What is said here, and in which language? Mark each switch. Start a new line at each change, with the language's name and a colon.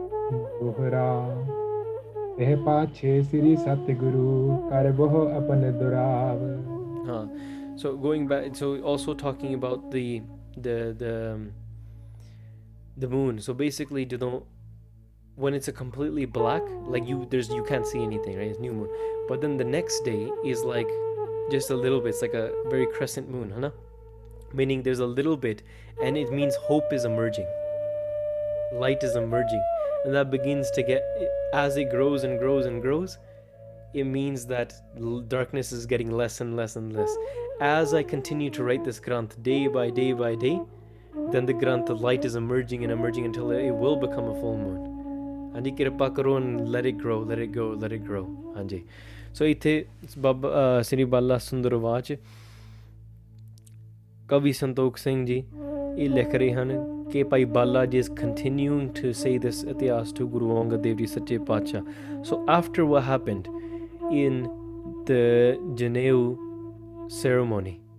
Punjabi: ਦੋਹਰਾ ਇਹ ਪਾਛੇ ਸ੍ਰੀ ਸਤਿਗੁਰੂ ਕਰ ਬਹੁ ਆਪਣ ਦੁਰਾਵ।
English: ਹਾਂ, so going back, so also talking about the moon, so basically ਜਦੋਂ when it's a completely black, like you there's you can see anything, right, new moon, but then the next day is like just a little bit, it's like a very crescent moon, ਹੈ ਨਾ, meaning there's a little bit and it means hope is emerging, light is emerging, and that begins to get, as it grows and grows and grows, it means that darkness is getting less and less and less, as I continue to write this granth day by day by day, then the granth of light is emerging and emerging until it will become a full moon, and
Punjabi: kripa karo,
English: let it grow, let it go, let it grow, hanji,
Punjabi: ਸੋ ਇੱਥੇ ਬਾਬਾ ਸ੍ਰੀ ਬਾਲਾ ਸੁੰਦਰ watch ਕਵੀ ਸੰਤੋਖ ਸਿੰਘ ਜੀ ਇਹ ਲਿਖ ਰਹੇ ਹਨ ਕਿ ਭਾਈ ਬਾਲਾ ਜੀ ਇਸ
English: continuing to say this
Punjabi: ਇਤਿਹਾਸ to Guru Angad Dev ji ਸੱਚੇ ਪਾਤਸ਼ਾਹ
English: so after what happened in the janeu ceremony